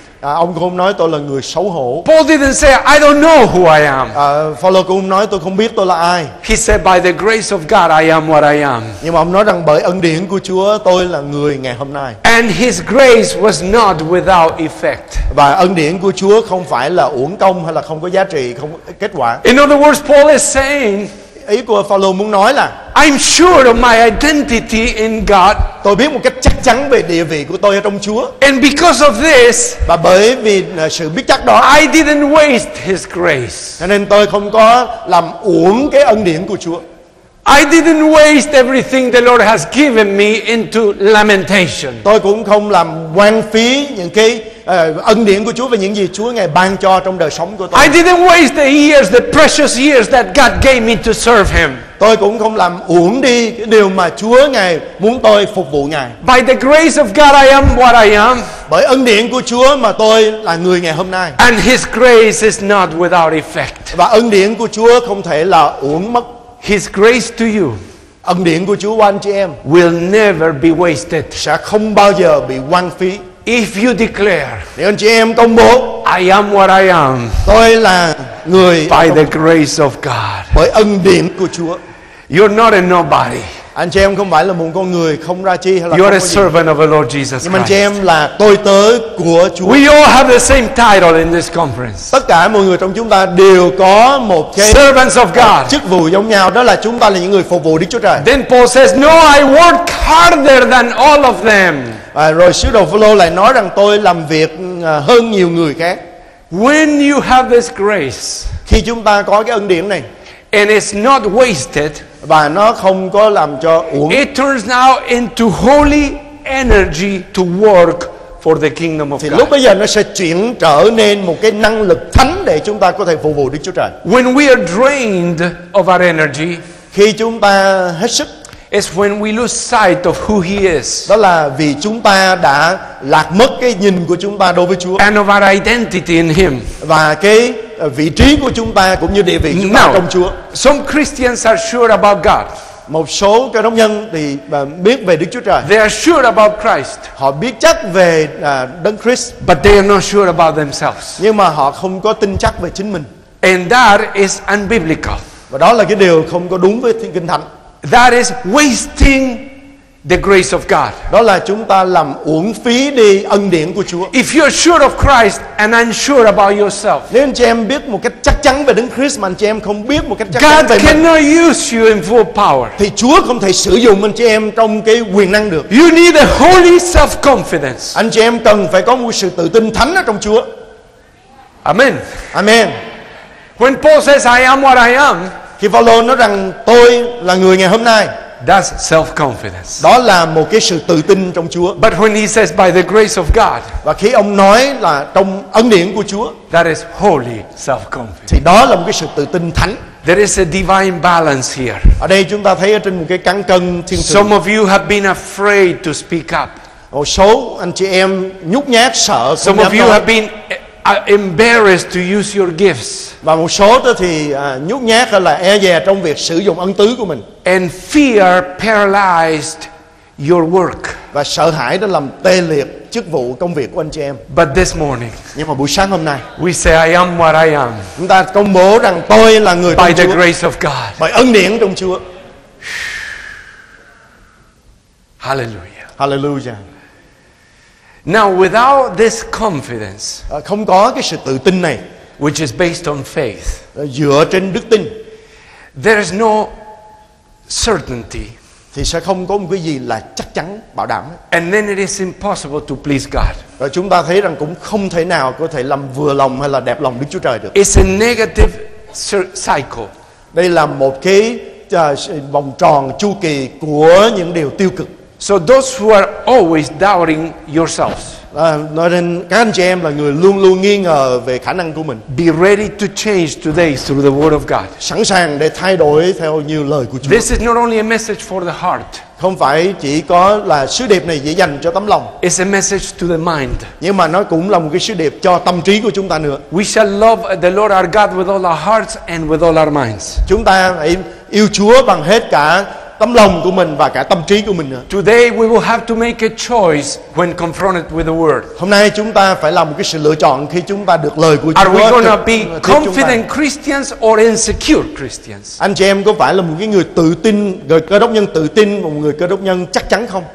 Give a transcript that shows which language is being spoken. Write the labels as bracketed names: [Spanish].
[Vietnamese] Ông cũng nói tôi là người xấu hổ. [English] Paul didn't say I don't know who I am. [Vietnamese] Paul cũng nói tôi không biết tôi là ai. [English] He said by the grace of God I am what I am. [Vietnamese] Nhưng mà ông nói rằng bởi ân điển của Chúa tôi là người ngày hôm nay. [English] And his grace was not without effect. [Vietnamese] Và ân điển của Chúa không phải là uổng công hay là không có giá trị, không có kết quả. [English] In other words, Paul is saying, [Vietnamese] ý của Paul muốn nói là [English] I'm sure of my identity in God. [Vietnamese] Tôi biết một cách chắc chắn về địa vị của tôi ở trong Chúa. [English] And because of this, [Vietnamese] và bởi vì sự biết chắc đó, [English] I didn't waste his grace. [Vietnamese] Cho nên tôi không có làm uổng cái ân điển của Chúa. [English] I didn't waste everything the Lord has given me into lamentation. [Vietnamese] Tôi cũng không làm hoang phí những cái ân điển của Chúa và những gì Chúa ngài ban cho trong đời sống của tôi. [English] I didn't waste the years, the precious years that God gave me to serve him. [Vietnamese] Tôi cũng không làm uổng đi cái điều mà Chúa ngài muốn tôi phục vụ ngài. [English] By the grace of God I am what I am. [Vietnamese] Bởi ân điển của Chúa mà tôi là người ngày hôm nay. [English] And his grace is not without effect. [Vietnamese] Và ân điển của Chúa không thể là uổng mất. [English] His grace to you. [Vietnamese] Ân điển của Chúa qua anh chị em [English] will never be wasted. [Vietnamese] Sẽ không bao giờ bị hoang phí. [English] If you declare, [Vietnamese] nếu anh chị em công bố, [English] I am what I am, [Vietnamese] tôi là người [English] by the grace of God, [Vietnamese] bởi ân điển của Chúa, [English] you're not a nobody. [Vietnamese] Anh chị em không phải là một con người không ra chi hay là [English] you're a servant of the Lord Jesus Christ. [Vietnamese] Nhưng anh chị em là tôi tớ của Chúa. [English] We all have the same title in this conference. [Vietnamese] Tất cả mọi người trong chúng ta đều có một cái [English] servants of God. [Vietnamese] Chức vụ giống nhau, đó là chúng ta là những người phục vụ Đức Chúa Trời. [English] Then Paul says, no, I work harder than all of them. [Vietnamese] À, rồi sứ đồ Phaolô lại nói rằng tôi làm việc hơn nhiều người khác. [English] When you have this grace, [Vietnamese] khi chúng ta có cái ân điển này, [English] and it's not wasted, [Vietnamese] và nó không có làm cho uổng, [English] it turns now into holy energy to work for the kingdom of [Vietnamese] thì [English] God. [Vietnamese] Lúc bây giờ nó sẽ chuyển trở nên một cái năng lực thánh để chúng ta có thể phục vụ Đức Chúa Trời. [English] When we are drained of our energy, [Vietnamese] khi chúng ta hết sức, [English] it's when we lose sight of who he is. [Vietnamese] Đó là vì chúng ta đã lạc mất cái nhìn của chúng ta đối với Chúa. [English] And of our identity in him. [Vietnamese] Và cái vị trí của chúng ta cũng như địa vị chúng ta trong Chúa. [English] Some Christians are sure about God. [Vietnamese] Một số cơ đốc nhân thì biết về Đức Chúa Trời. [English] They are sure about Christ. [Vietnamese] Họ biết chắc về Đấng Christ. [English] But they are not sure about themselves. [Vietnamese] Nhưng mà họ không có tin chắc về chính mình. [English] And that is unbiblical. [Vietnamese] Và đó là cái điều không có đúng với Thiên Kinh Thánh. [English] That is wasting the grace of God. [Vietnamese] Đó là chúng ta làm uổng phí đi ân điển của Chúa. [English] If you're sure of Christ and unsure about yourself. [Vietnamese] Nếu anh chị em biết một cách chắc chắn về Đấng Christ mà anh chị em không biết một cách chắc chắn về mình. [English] God cannot use you in full power. [Vietnamese] Thì Chúa không thể sử dụng anh chị em trong cái quyền năng được. [English] You need a holy self-confidence. [Vietnamese] Anh chị em cần phải có một sự tự tin thánh ở trong Chúa. [English] Amen. [Vietnamese] Amen. [English] When Paul says I am what I am. [Vietnamese] Khi Phaolô nói rằng tôi là người ngày hôm nay, [English] that's self-confidence. [Vietnamese] Đó là một cái sự tự tin trong Chúa. [English] But when he says by the grace of God, [Vietnamese] và khi ông nói là trong ân điển của Chúa, [English] that is holy self-confidence. [Vietnamese] Thì đó là một cái sự tự tin thánh. [English] There is a divine balance here. [Vietnamese] Ở đây chúng ta thấy ở trên một cái cán cân thiên thượng. [English] Some of you have been afraid to speak up. [Vietnamese] Một số anh chị em nhút nhát sợ. [English] Some of you have been embarrassed to use your gifts. [Vietnamese] Và một số đó thì nhút nhát hay là e dè trong việc sử dụng ân tứ của mình. [English] And fear paralyzed your work. [Vietnamese] Và sợ hãi đã làm tê liệt chức vụ công việc của anh chị em. [English] But this morning. [Vietnamese] Nhưng mà buổi sáng hôm nay. [English] We say I am what I am. [Vietnamese] Chúng ta công bố rằng tôi là người trong Chúa. [English] By the grace of God. [Vietnamese] Bởi ân điển trong Chúa. [English] Hallelujah. [Vietnamese] Hallelujah. [English] Now without this confidence, [Vietnamese] không có cái sự tự tin này, [English] which is based on faith, [Vietnamese] dựa trên đức tin, [English] there is no certainty, [Vietnamese] thì sẽ không có một cái gì là chắc chắn bảo đảm. [English] And then it is impossible to please God. [Vietnamese] Và chúng ta thấy rằng cũng không thể nào có thể làm vừa lòng hay là đẹp lòng Đức Chúa Trời được. [English] It's a negative cycle. [Vietnamese] Đây là một cái vòng tròn chu kỳ của những điều tiêu cực. [English] So those who are always doubting yourselves. [Vietnamese] Nói nên các anh chị em là người luôn luôn nghi ngờ về khả năng của mình. [English] Be ready to change today through the word of God. [Vietnamese] Sẵn sàng để thay đổi theo như lời của Chúa. [English] This is not only a message for the heart. [Vietnamese] Không phải chỉ có là sứ điệp này chỉ dành cho tấm lòng. [English] It's a message to the mind. [Vietnamese] Nhưng mà nó cũng là một cái sứ điệp cho tâm trí của chúng ta nữa. [English] We shall love the Lord our God with all our hearts and with all our minds. [Vietnamese] Chúng ta hãy yêu Chúa bằng hết cả tâm lòng của mình và cả tâm trí của mình nữa. [English] Today we will have to make a choice when confronted with the word. [Vietnamese] Hôm nay chúng ta phải làm một cái sự lựa chọn khi chúng ta được lời của Chúa. [English] Are we gonna be confident Christians or insecure Christians? [Vietnamese] Anh chị em có phải là một cái người tự tin, người Cơ Đốc nhân tự tin, một người Cơ Đốc nhân chắc chắn không?